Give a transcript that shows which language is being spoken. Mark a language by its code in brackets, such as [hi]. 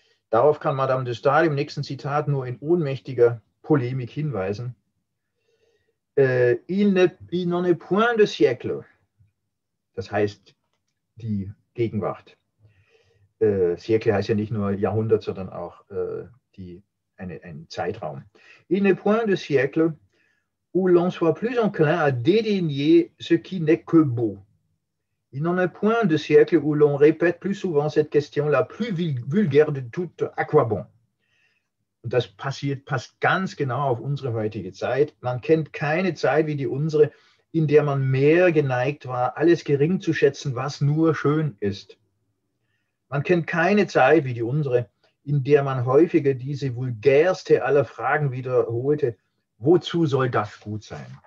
[de] Darauf kann Madame de Staël im nächsten Zitat nur in ohnmächtiger Polemik hinweisen. [fr] Il n'en est point de siècle, [de] das heißt die Gegenwart. Siècle heißt ja nicht nur Jahrhundert, sondern auch ein Zeitraum. [fr] Il n'est point de siècle où l'on soit plus enclin à dédaigner ce qui n'est que beau. Il n'en est point de siècle où l'on répète plus souvent cette question la plus vulgaire de toutes, à quoi bon? [de] Und das passt ganz genau auf unsere heutige Zeit. Man kennt keine Zeit wie die unsere, in der man mehr geneigt war, alles gering zu schätzen, was nur schön ist. Man kennt keine Zeit wie die unsere, in der man häufiger diese vulgärste aller Fragen wiederholte, wozu soll das gut sein?